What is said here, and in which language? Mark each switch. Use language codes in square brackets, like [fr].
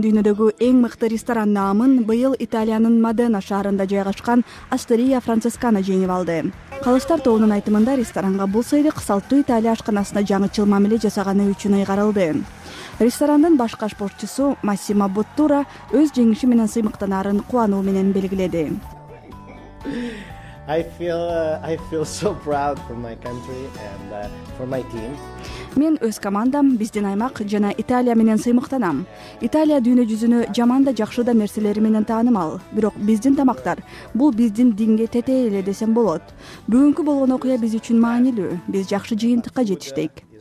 [ky] Дүйнөдөгү эң мыкты ресторан наамын быйыл Италиянын Модена шаарында жайгашкан Астерия Францескана жеңип алды. Калыстар тобунун айтымында ресторанга бул сыйлык салттуу Италия ашканасына жаңычыл мамиле жасаганы үчүн ыйгарылды. Ресторандын башка спортчусу Массимо Боттура өз жеңиши менен сыймыктанарын кубануу менен белгиледи. [en] I feel so proud for my country and for my team. [ky] Мен өз командам, биздин аймак жана Италия менен сыймыктанам. Италия дүйнө жүзүнө жаман да жакшы да нерселери менен таанымал. Бирок биздин тамактар бул биздин динге тетээ эле десем болот. Бүгүнкү болгон окуя биз үчүн маанилүү. Биз жакшы жыйынтыкка жетиштик.